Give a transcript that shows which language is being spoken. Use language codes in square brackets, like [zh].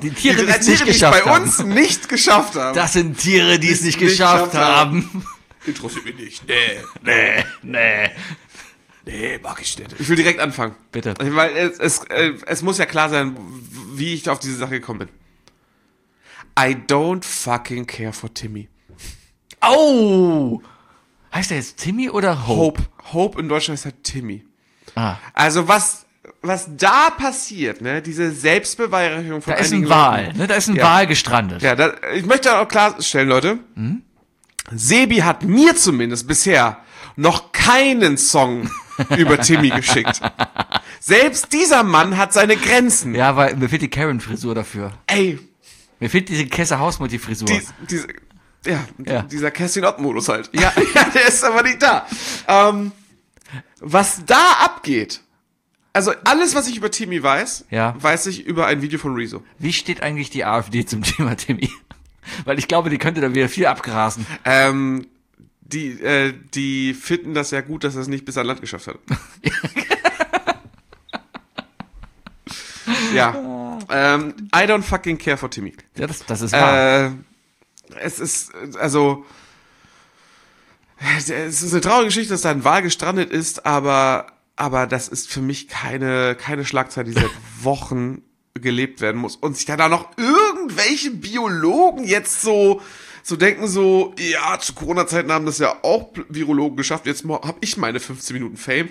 [de] Die Tiere, die es nicht geschafft haben. Die bei uns nicht geschafft haben. Das sind Tiere, die es nicht geschafft haben. Interessiert mich nicht. Nee, mag ich nicht. Ich will direkt anfangen. Bitte. Weil es muss ja klar sein, wie ich auf diese Sache gekommen bin. [en] I don't fucking care for Timmy. Oh! [de] Heißt er jetzt Timmy oder Hope? Hope in Deutschland heißt halt Timmy. Ah. Also was da passiert, ne? Diese Selbstbeweihräucherung von einigen Leuten. Da ist ein Wal, ne? Da ist ein Wal gestrandet. Ja, ich möchte auch klarstellen, Leute. Sebi hat mir zumindest bisher noch keinen Song über Timmy geschickt. Selbst dieser Mann hat seine Grenzen. Ja, weil mir fehlt die Karen-Frisur dafür. Ey. Mir fehlt diese Kesse-Hausmutti-Frisur. Dieser Kerstin-Ott-Modus halt. Ja. Ja, der ist aber nicht da. Was da abgeht, also alles, was ich über Timmy weiß, weiß ich über ein Video von Rezo. Wie steht eigentlich die AfD zum Thema Timmy? Weil ich glaube, die könnte da wieder viel abgrasen. Die finden das ja gut, dass er es nicht bis an Land geschafft hat. Ja. [en] I don't fucking care for Timmy. [de] Ja, das ist wahr. Es ist eine traurige Geschichte, dass da ein Wal gestrandet ist, aber das ist für mich keine Schlagzeile, die seit Wochen gelebt werden muss. Und sich da noch irgendwelche Biologen jetzt so denken, so, ja, zu Corona-Zeiten haben das ja auch Virologen geschafft, jetzt hab ich meine 15 Minuten Fame.